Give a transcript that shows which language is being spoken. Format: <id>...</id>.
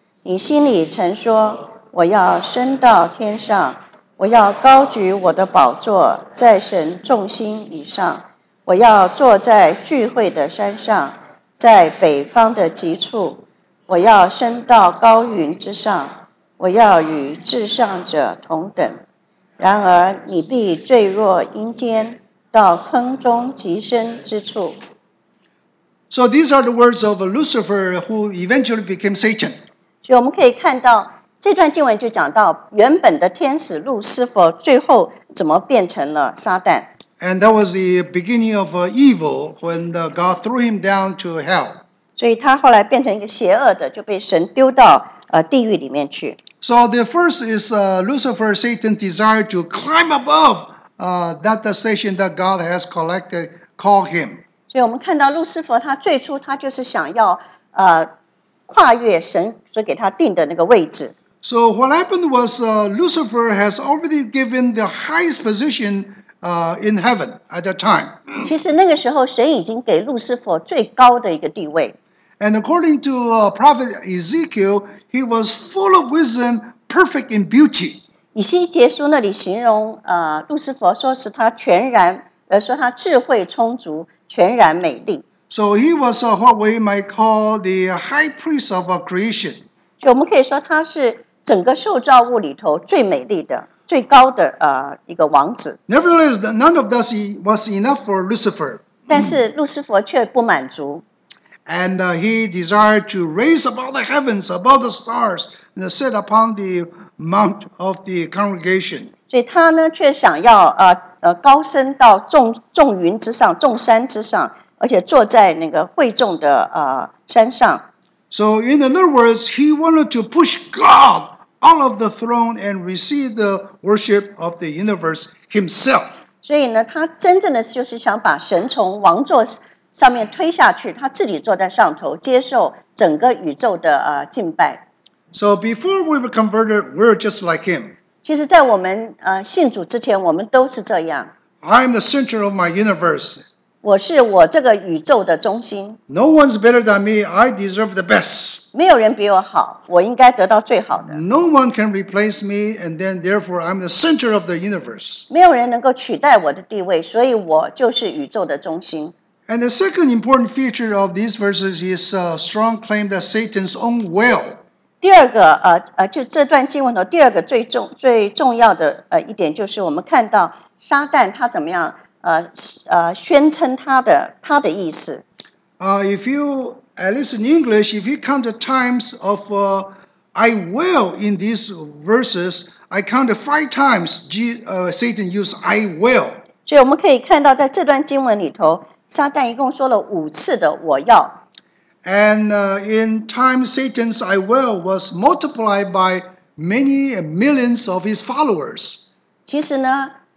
<zh>你心里曾说，我要升到天上，我要高举我的宝座在神众星以上，我要坐在聚会的山上。在北方的极处，我要升到高云之上，我要与至上者同等。然而你必坠落阴间，到坑中极深之处。</zh> <en>So these are the words of Lucifer who eventually became Satan.</en> <zh>所以我们可以看到这段经文就讲到原本的天使路斯佛最后怎么变成了撒旦。</zh> <en>And that was the beginning of evil when God threw him down to hell.</en> <zh>所以他后来变成一个邪恶的，就被神丢到地狱里面去。</zh> <en>So the first is Lucifer, Satan desired to climb above that station that God has collected, call him.</en> <zh>所以我们看到路斯佛他最初他就是想要跨越神所给他定的那个位置。</zh> <en>So what happened was Lucifer has already given the highest position. In heaven at that time.</en> <zh>其实那个时候，神已经给路斯佛最高的一个地位。</zh> <en>And according to Prophet Ezekiel, he was full of wisdom, perfect in beauty.</en> <zh>以西结书那里形容路斯佛，说是他全然，说他智慧充足，全然美丽。</zh> <en>So he was what we might call the high priest of creation.</en> <zh>就我们可以说他是整个受造物里头最美丽的最高的一个王子。</zh> <en>Nevertheless, none of this was enough for Lucifer.</en> <zh>但是路西佛却不满足。</zh> <en>And he desired to raise above the heavens, above the stars, and sit upon the mount of the congregation.</en> <zh>所以他呢却想要高升到众云之上，众山之上，而且坐在那个会众的山上。</zh> <en>So in other words, he wanted to push God out of the throne and receive the worship of the universe himself.</en> <zh>所以呢，他真正的就是想把神从王座上面推下去，他自己坐在上头，接受整个宇宙的敬拜。</zh> <en>So before we were converted, we were just like him.</en> <zh>其实在我们信主之前，我们都是这样。</zh> <en>I am the center of my universe.</en> <zh>我是我这个宇宙的中心。</zh> <en>No one's better than me. I deserve the best.</en> <zh>没有人比我好，我应该得到最好的。</zh> <en>No one can replace me, and then therefore I'm the center of the universe.</en> <zh>没有人能够取代我的地位，所以我就是宇宙的中心。</zh> <en>And the second important feature of these verses is a strong claim that Satan's own will.</en> <zh>第二个就这段经文的第二个最重要的一点，就是我们看到撒旦他怎么样。宣称他的意思。</zh> <en>If you at least in English, if you count the times of "I will" in these verses, I counted five times. Satan used "I will."</en> <zh>所以我们可以看到，在这段经文里头，撒旦一共说了五次的“我要”。</zh> <en>And in time, Satan's "I will" was multiplied by many millions of his followers.</en> <zh>其实呢。</zh>